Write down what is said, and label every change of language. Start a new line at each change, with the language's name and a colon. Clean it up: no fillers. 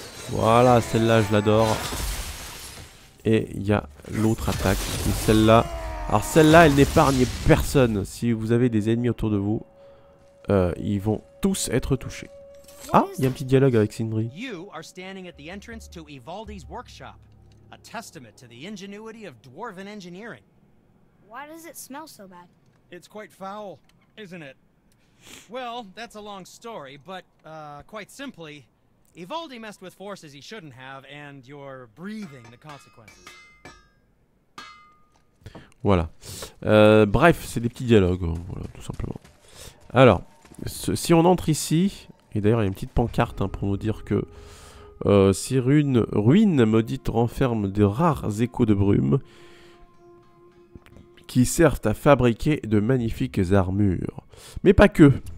French: Voilà, celle-là, je l'adore. Et il y a l'autre attaque, c'est celle-là. Alors celle-là, elle n'épargne personne. Si vous avez des ennemis autour de vous, ils vont tous être touchés. Ah, il y a un petit dialogue avec Sindri.
English: You are standing at the entrance to Ivaldi's workshop, a testament to the ingenuity of dwarven engineering. Why does it smell so bad? It's quite foul, isn't it? Well, that's a long story, but quite simply, Ivaldi messed with forces he shouldn't have, and you're breathing the consequences.
French: Voilà. Bref, c'est des petits dialogues, voilà, tout simplement. Alors, si on entre ici, et d'ailleurs il y a une petite pancarte hein, pour nous dire que ces ruines maudites renferment de rares échos de brume qui servent à fabriquer de magnifiques armures. Mais pas que.